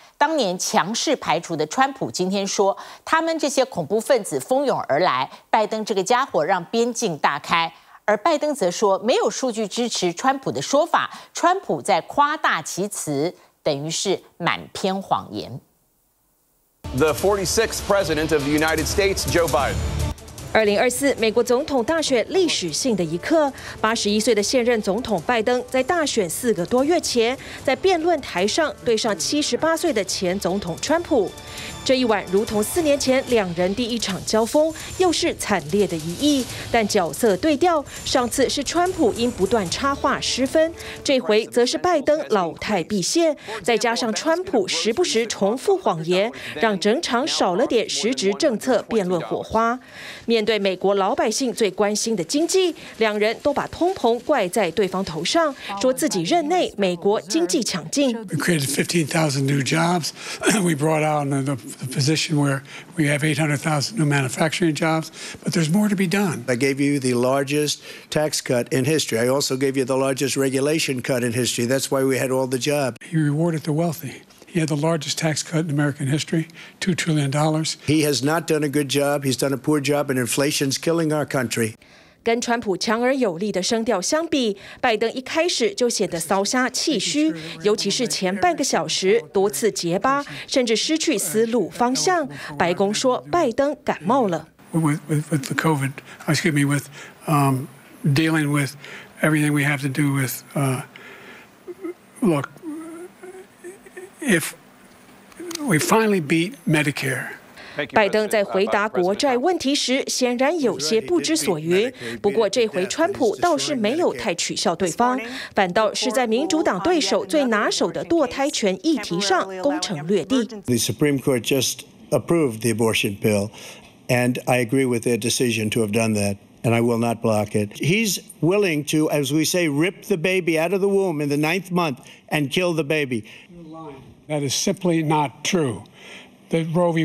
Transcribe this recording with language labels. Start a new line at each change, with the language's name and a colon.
Chinese: 当年强势排除的川普今天说，他们这些恐怖分子蜂拥而来，拜登这个家伙让边境大开。而拜登则说，没有数据支持川普的说法，川普在夸大其词，等于是满篇谎言。
English: The 46th President of the United States, Joe Biden.
Chinese: 2024美国总统大选历史性的一刻，81岁的现任总统拜登在大选4个多月前，在辩论台上对上78岁的前总统川普。这一晚如同4年前两人第一场交锋，又是惨烈的一役，但角色对调，上次是川普因不断插话失分，这回则是拜登老态毕现，再加上川普时不时重复谎言，让整场少了点实质政策辩论火花。面对美国老百姓最关心的经济，两人都把通膨怪在对方头上，说自己任内美国经济强劲。
English: We created 15,000 new jobs. We brought on the position where we have 800,000 new manufacturing jobs. But there's more to be done. I gave you the largest tax cut in history. I also gave you the largest regulation cut in history. That's why we had all the jobs. He rewarded the wealthy. He had the largest tax cut in American history, $2 trillion. He has not done a good job. He's done a poor job, and inflation's killing our country.
Chinese: 跟川普强而有力的声调相比，拜登一开始就显得骚瞎气虚，尤其是前半个小时多次结巴，甚至失去思路方向。白宫说拜登感冒了。
English: With the COVID, excuse me, with dealing with everything we have to do with look. If we finally beat Medicare.
Chinese: 拜登在回答国债问题时显然有些不知所云，不过这回川普倒是没有太取笑对方，反倒是在民主党对手最拿手的堕胎权议题上攻城略地。
English: The Supreme Court just approved the abortion bill, and I agree with their decision to have done that. And I will not block it. He's willing to, as we say, rip the baby out of the womb in the 9th month and kill the baby. That is simply not true. The Roe v.